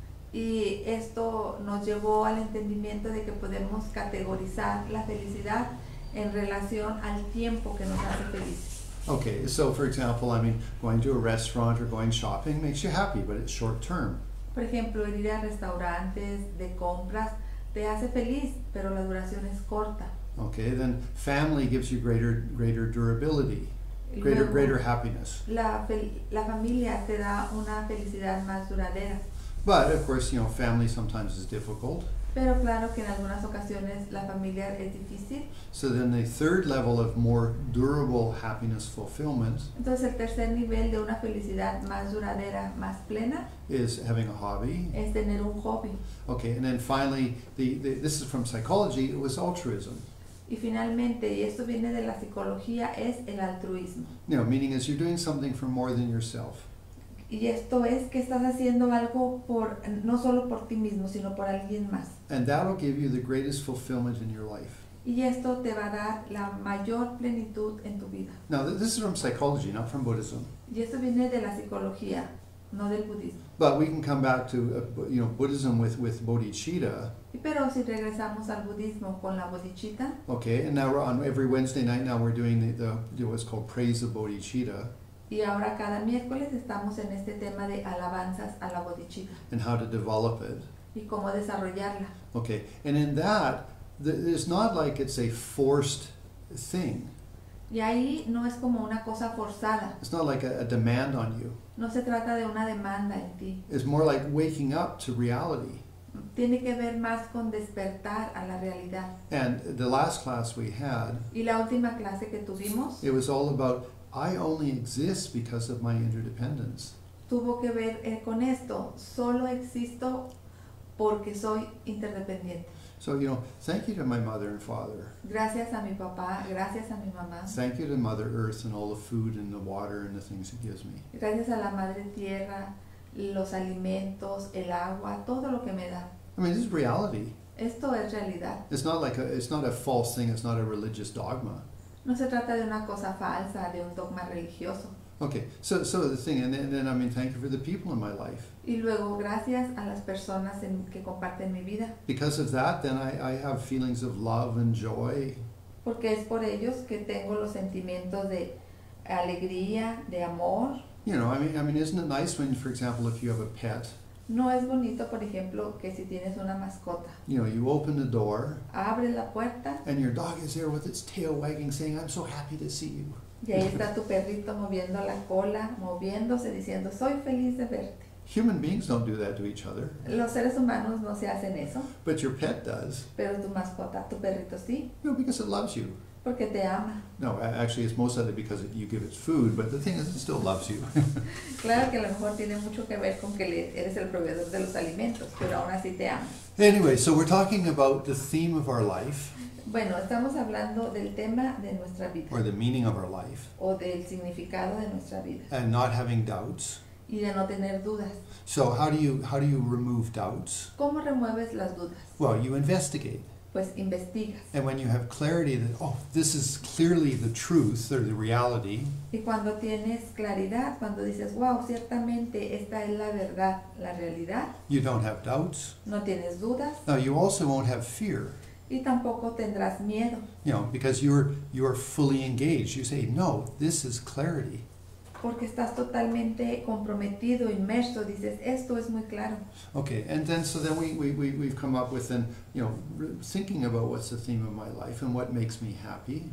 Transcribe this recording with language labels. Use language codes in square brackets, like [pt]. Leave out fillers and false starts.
[es] Y esto nos llevó al entendimiento de que podemos categorizar la felicidad en relación al tiempo que nos hace felices. [en] Okay, so for example, I mean, going to a restaurant or going shopping makes you happy, but it's short term. [es] Por ejemplo, ir a restaurantes de compras te hace feliz, pero la duración es corta. [en] Okay, then family gives you greater durability, [es] Y [en] greater [es] luego, [en] happiness. [es] la familia te da una felicidad más duradera. [en] But of course, family sometimes is difficult. [es] Pero claro que en algunas ocasiones la familia es difícil. [en] So then the third level of more durable happiness fulfillment [es] Entonces el tercer nivel de una felicidad más duradera, más plena, [en] is having a hobby. [es] es tener un hobby. [en] Okay, and then finally, this is from psychology, it was altruism. [es] Y finalmente, y esto viene de la psicología, es el altruismo. [en] Meaning is you're doing something for more than yourself. [es] Y esto es que estás haciendo algo por no solo por ti mismo, sino por alguien más. [en] And that'll give you the greatest fulfillment in your life. [es] Y esto te va a dar la mayor plenitud en tu vida. [en] Now, this is from psychology, not from Buddhism. [es] Y esto viene de la psicología, no del budismo. [en] But we can come back to Buddhism with bodhicitta. [es] Y pero si regresamos al budismo con la bodhicitta, [en] Okay, and now we're on every Wednesday night. Now we're doing the what's called praise of bodhicitta. [es] y ahora cada miércoles estamos en este tema de alabanzas a la bodhicitta [en] And how to develop it. [es] y cómo desarrollarla. [en] Okay, and in that, it's not like it's a forced thing. [es] Y ahí no es como una cosa forzada. [en] It's not like a demand on you. [es] No se trata de una demanda en ti. [en] It's more like waking up to reality. [es] Tiene que ver más con despertar a la realidad. [en] And the last class we had, [es] Y la última clase que [en] it [es] tuvimos [en] was all about I only exist because of my interdependence. [es] tuvo que ver con esto. Solo existo porque soy interdependiente. [en] So, thank you to my mother and father. [es] Gracias a mi papá, gracias a mi mamá. [en] Thank you to Mother Earth and all the food and the water and the things it gives me. [es] Gracias a la madre tierra, los alimentos, el agua, todo lo que me da. [en] I mean, this is reality. [es] Esto es realidad. [en] It's not a false thing, it's not a religious dogma. [es] No se trata de una cosa falsa, de un dogma religioso. [en] Okay, so the thing, and then I mean, thank you for the people in my life. [es] Y luego, gracias a las personas que comparten mi vida. [en] Because of that, then I have feelings of love and joy. [es] Porque es por ellos que tengo los sentimientos de alegría, de amor. [en] I mean, isn't it nice when, for example, if you have a pet? [es] No es bonito, por ejemplo, que si tienes una mascota, [en] You open the door, [es] abres la puerta [en] and your dog is there with its tail wagging, saying, "I'm so happy to see [es] y ahí está tu perrito moviendo la cola, moviéndose, diciendo, soy feliz de verte. [en] Human beings don't do that to each other, [es] Los seres humanos no se hacen eso, [en] but your pet does. [es] pero tu mascota, tu perrito sí, [en] Because it loves you. [es] porque te ama. [en] No, actually, it's mostly because you give it food, but the thing is, it still loves you. [es] Claro que a lo mejor tiene mucho que ver con que eres el proveedor de los alimentos, pero aún así te ama. [en] Anyway, so we're talking about the theme of our life, [es] Bueno, estamos hablando del tema de nuestra vida [en] or the meaning of our life, [es] o del significado de nuestra vida [en] and not having doubts. [es] y de no tener dudas. [en] So how do you remove doubts? [es] ¿Cómo remueves las dudas? [en] Well, you investigate. [es] Pues investigas. [en] And when you have clarity that, oh, this is clearly the truth or the reality, [es] Y cuando tienes claridad, cuando dices, wow, ciertamente esta es la verdad, la realidad, [en] you don't have doubts. [es] no tienes dudas, [en] Now you also won't have fear. [es] Y tampoco tendrás miedo. [en] You know, because you're fully engaged. You say, no, this is clarity. [es] Porque estás totalmente comprometido, inmerso, dices, esto es muy claro. [en] Okay, and then so then we've come up with an, you know, thinking about what's the theme of my life and what makes me happy.